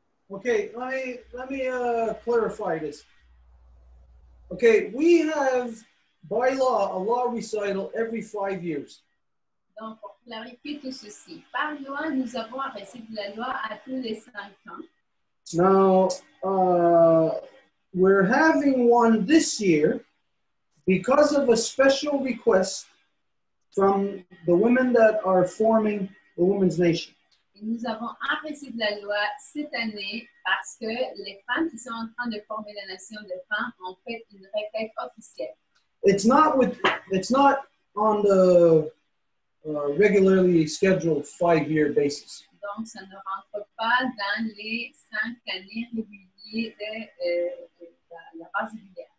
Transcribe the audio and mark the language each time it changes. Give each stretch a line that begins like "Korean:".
English: Okay, let me clarify this. Okay, we have by law a law recital every 5 years.
French: Donc pour clarifier tout ceci, par loi nous avons un récit de la loi à tous les 5 ans.
English: Now we're having one this year because of a special request from the women that are forming the Women's Nation.
French: Nous avons un récit de la loi cette année parce que les femmes qui sont en train de former la nation des femmes ont fait une requête officielle.
English: It's not with, it's not on the regularly scheduled 5 year basis.
French: Donc ça ne rentre pas dans les 5 années réguliers de la base régulière.